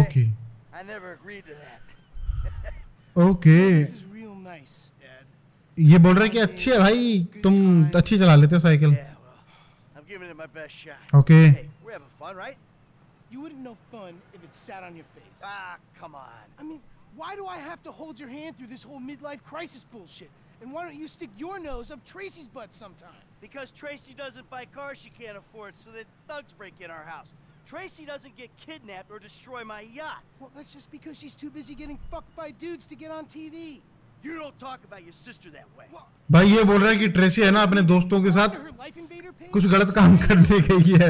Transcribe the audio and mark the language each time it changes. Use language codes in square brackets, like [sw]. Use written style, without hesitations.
[en] Okay I never agreed to that. Okay this is real nice dad, [hi] ये बोल रहा है कि अच्छी है भाई, तुम अच्छी चला लेते हो cycle. [en] I am giving it my best shot. Okay we have a fun right, you wouldn't know fun if it sat on your face. Ah come on, I mean why do I have to hold your hand through this whole midlife crisis bullshit? And why don't you stick your nose up Tracy's butt sometime? Because Tracy doesn't buy cars she can't afford so that thugs break in our house. Tracy doesn't get kidnapped or destroy my yacht. Well, that's just because she's too busy getting fucked by dudes to get on TV. You don't talk about your sister that way. [hi] भाई ये बोल रहा है कि Tracy है ना अपने दोस्तों के साथ कुछ गलत काम करने गई है।